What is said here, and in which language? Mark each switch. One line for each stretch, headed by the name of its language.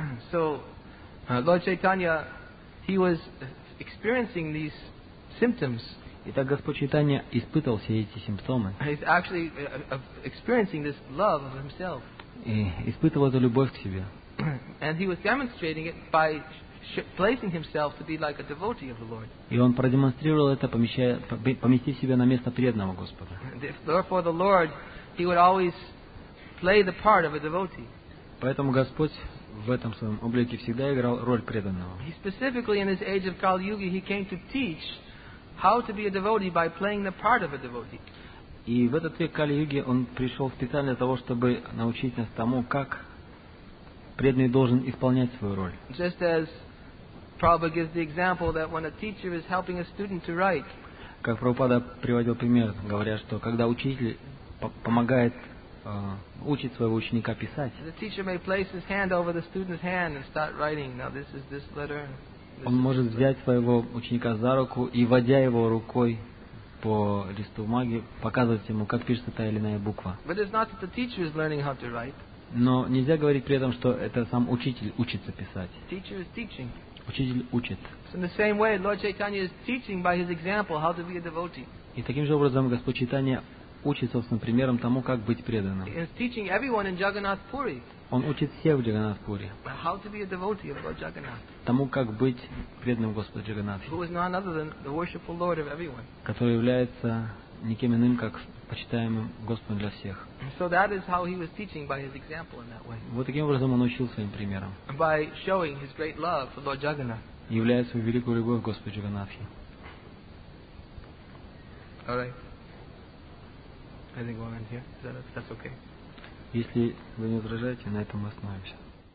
English: So, Lord Chaitanya, he was experiencing these symptoms.
Russian: Итак, Господь Чайтанья испытывал все эти симптомы.
English: He's actually experiencing this love of himself.
Russian: И испытывал эту любовь к себе.
English: And he was demonstrating it by placing himself to be like a devotee of the Lord.
Russian: И он продемонстрировал это, поместив себя на место преданного Господа.
English: Therefore, the Lord, he would always play the part of a devotee.
Russian: Поэтому Господь в этом своем облике всегда играл роль преданного.
English: He specifically, in his age of Kali Yuga, he came to teach how to be a devotee by playing the part of a devotee.
Russian: И в этот век Кали Юги он пришел специально для того, чтобы научить нас тому, как преданный должен исполнять свою роль.
English: Just as Prabhupada gives the example that when a teacher is helping a student to write.
Russian: Как Прабхупада приводил пример, говоря, что когда учитель помогает учить своего ученика писать.
English: The teacher may place his hand over the student's hand and start writing. Now this is this letter.
Russian: Он может взять своего ученика за руку и, вводя его рукой по листу бумаги, показывать ему, как пишется та или иная буква.
English: But it's not that the teacher is learning how to write.
Russian: Но нельзя говорить при этом, что это сам учитель учится писать. Учитель учит.
English: So in the same way, Lord Chaitanya is teaching by his example how to be a devotee.
Russian: И таким же образом Господь Чайтанья учит собственным примером тому, как быть преданным.
English: He is teaching everyone in Jagannath Puri.
Russian: Он учит всех в Джагнатх Пури.
English: How to be a devotee of Lord Jagannath.
Russian: Тому, как быть преданным Господу Джагнатху.
English: Who is none other than the worshipful Lord of everyone.
Russian: Который является никем иным, как почитаемым Господом для всех.
English: So that is how he was teaching by his example in that way.
Russian: Вот таким образом он учил своим примером.
English: By showing his great love for Lord Jagannath.
Russian: Являя свою великую любовь к Господу Джаганнатхи.
English: All right. I think we'll end here. That's okay.
Russian: Если вы не возражаете, на этом мы остановимся.